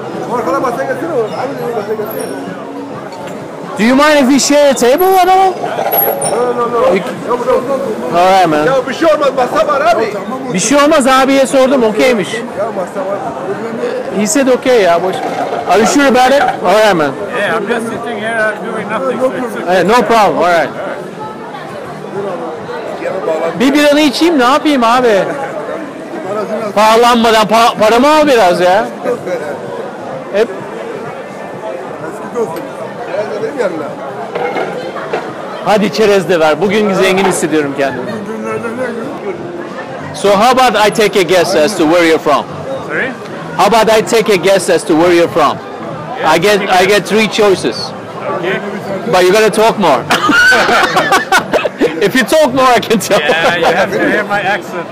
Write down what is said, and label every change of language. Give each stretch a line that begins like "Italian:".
Turkish: Korkana basa getir oğlum. Hadi basa getir.
English: Do you mind if we share a table at all? No. All right, man.
Turkish: Ya bir şey olmaz, masa var abi. Bir şey olmaz, abiye sordum, okeymiş. Ya masa var.
English: He said okay ya,
Turkish: boş ver.
English: Are you sure about it? All right, man. Yeah, I'm just sitting here doing nothing. No problem, all right.
Turkish: Bir biranı içeyim, ne yapayım abi? Pahalanmadan paramı al biraz ya. Hep. Hadi çerez de ver. Bugün zengin hissediyorum kendimi.
English: So how about I take a guess as to where you're from? Sorry? How about I take a guess as to where you're from? Yeah, I get three choices. Okay. But you gotta talk more. If you talk more, I can tell. Yeah, you have to hear my accent.